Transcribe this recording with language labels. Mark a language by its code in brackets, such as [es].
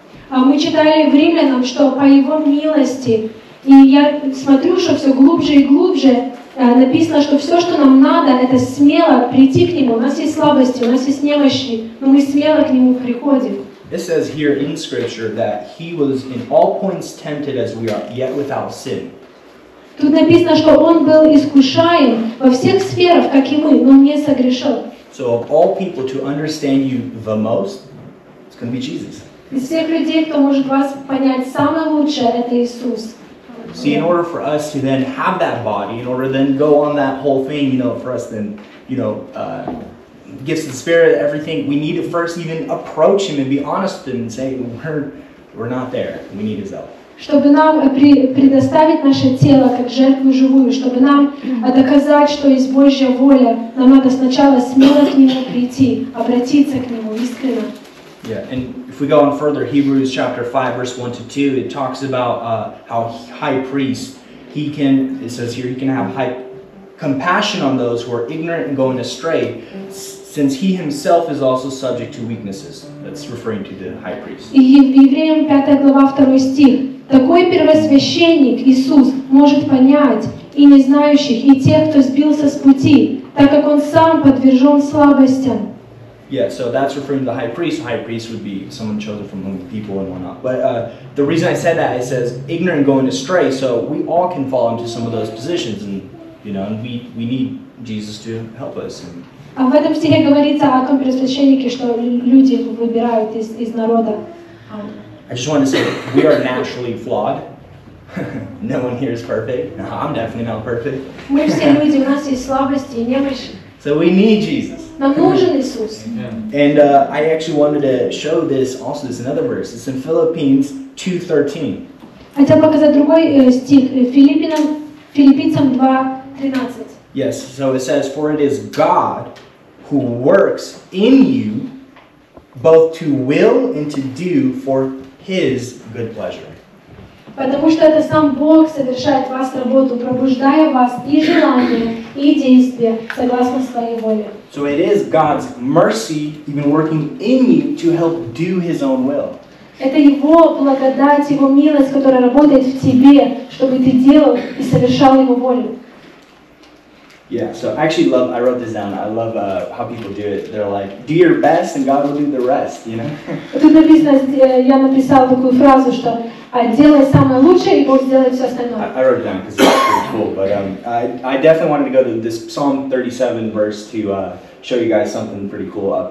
[ru] Мы читали в Римлянам, что по Его милости, и я смотрю, что все глубже и глубже написано, что все, что нам надо, это смело прийти к Нему. У нас есть слабости, у нас есть немощи, но мы смело к Нему приходим. [en] It says here in Scripture that He was in all points tempted as we are, yet without sin. [ru] Тут написано, что Он был искушаем во всех сферах, как и мы, но не согрешил. [en] So of all people to understand you the most, it's going to be Jesus. [ru] Из всех людей, кто может вас понять самое лучшее, это Иисус. [en] See, in order for us to then have that body, in order to then go on that whole thing, you know, for us then, you know, gifts of the Spirit, everything, we need to first even approach Him and be honest with Him and say, we're not there, we need His help. [ru] Чтобы нам предоставить наше тело как жертву живую, чтобы нам доказать, что есть Божья воля, нам надо сначала смело к Нему прийти, обратиться к Нему искренне. [en] Yeah, and if we go on further, Hebrews chapter 5, verse 1 to 2, it talks about how high priest, he can, it says here, he can have high compassion on those who are ignorant and going astray, since he himself is also subject to weaknesses. That's referring to the high priest. [ru] И Евреям 5 глава 2 стих. Такой первосвященник, Иисус, может понять и незнающих, и тех, кто сбился с пути, так как он сам подвержен слабостям. [en] Yeah, so that's referring to the high priest. High priest would be someone chosen from among the people and whatnot. But the reason I said that, it says ignorant going astray. So we all can fall into some of those positions, and you know, and we need Jesus to help us. [ru] А в этом стихе говорится о том первосвященнике, что люди выбирают из народа. [en] I just want to say we are naturally flawed. No one here is perfect. No, I'm definitely not perfect. [ru] Мы все люди, у нас есть слабости и немощи. [en] So we need Jesus. [ru] Нам нужен Иисус. [en] And I actually wanted to show this also. This another verse. It's in Philippians 2:13. [ru] Хотел показать другой стих. Филиппийцам 2:13. [en] Yes. So it says, "For it is God who works in you, both to will and to do for His good pleasure." [ru] Потому что это сам Бог совершает в вас работу, пробуждая вас и желание, и действие согласно своей воле. [en] So it is God's mercy even working in you to help do His own will. [ru] Это Его благодать, Его милость, которая работает в тебе, чтобы ты делал и совершал Его волю. [en] Yeah, so I actually love, I wrote this down, I love how people do it. They're like, do your best and God will do the rest, you know? [ru] Тут написано, я написал такую фразу, что делай самое лучшее, и Бог сделает все остальное. [en] I wrote it down because it's pretty cool, but I definitely wanted to go to this Psalm 37 verse to show you guys something pretty cool.